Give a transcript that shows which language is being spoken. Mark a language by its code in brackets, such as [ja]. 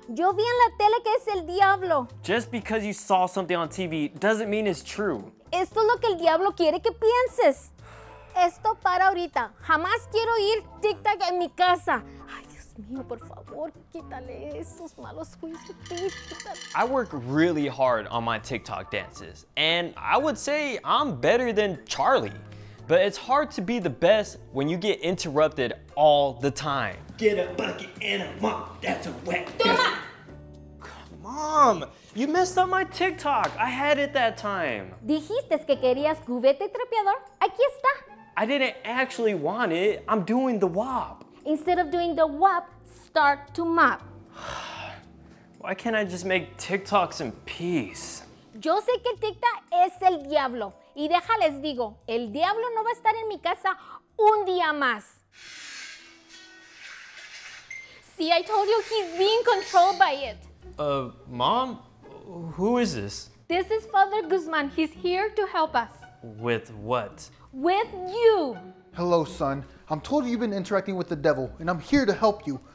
[es] Yo vi en la tele que es el diablo. [en] Just because you saw something on TV doesn't mean it's true. [es] Esto es lo que el diablo quiere que pienses. Esto para ahorita. Jamás quiero ir TikTok en mi casa. Ay, Dios mío, por favor, quítale esos malos juicios. [en] I work really hard on my TikTok dances, and I would say I'm better than Charlie. but it's hard to be the best when you get interrupted all the time. Get a bucket and a mop, that's a wet. [es] Toma! [en] Mom, you messed up my TikTok. I had it that time. [es] Dijiste que querías cubete trapeador. Aquí está. [en] I didn't actually want it. I'm doing the WAP. Instead of doing the WAP, start to mop. Why can't I just make TikToks in peace? [es] Yo sé que TikTok es el diablo. Y déjales digo, el diablo no va a estar en mi casa un día más. [en] See, I told you he's being controlled by it. Mom? Who is this? This is Father Guzman. He's here to help us. With what? With you! Hello, son. I'm told you've been interacting with the devil, and I'm here to help you.